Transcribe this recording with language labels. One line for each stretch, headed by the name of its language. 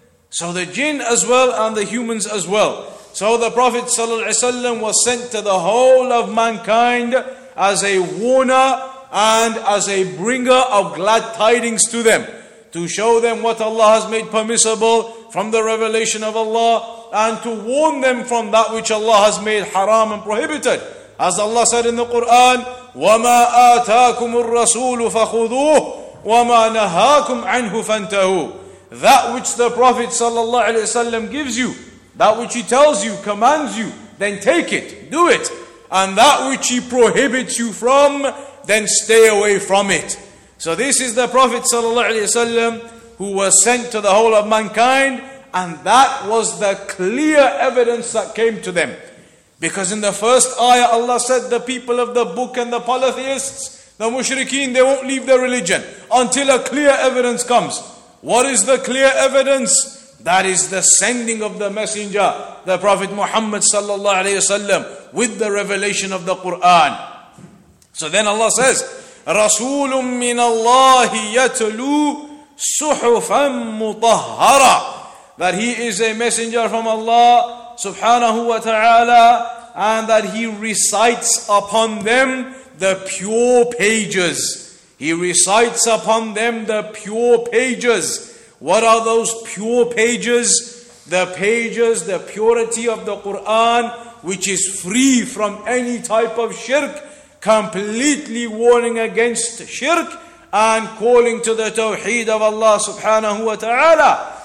English: So the jinn as well and the humans as well. So the Prophet ﷺ was sent to the whole of mankind as a warner and as a bringer of glad tidings to them, to show them what Allah has made permissible from the revelation of Allah and to warn them from that which Allah has made haram and prohibited. As Allah said in the Quran,
Arabic: وَمَا آتَاكُمُ الرَّسُولُ فَخُذُوهُ وَمَا نَهَاكُمْ عَنْهُ فَانْتَهُ.
English: That which the Prophet ﷺ gives you, that which he tells you, commands you, then take it, do it. And that which he prohibits you from, then stay away from it. So this is the Prophet ﷺ who was sent to the whole of mankind, and that was the clear evidence that came to them. Because in the first ayah, Allah said, the people of the book and the polytheists, the mushrikeen, they won't leave their religion until a clear evidence comes. What is the clear evidence? That is the sending of the messenger, the Prophet Muhammad sallallahu alayhi wasallam, with the revelation of the Quran. So then Allah says,
Arabic: رَسُولٌ مِّنَ اللَّهِ يَتْلُو صُحُفًا مُطَهَّرًا.
English: That he is a messenger from Allah subhanahu wa ta'ala, and that he recites upon them the pure pages. He recites upon them the pure pages. What are those pure pages? The pages, the purity of the Quran, which is free from any type of shirk, completely warning against shirk and calling to the tawheed of Allah subhanahu wa ta'ala.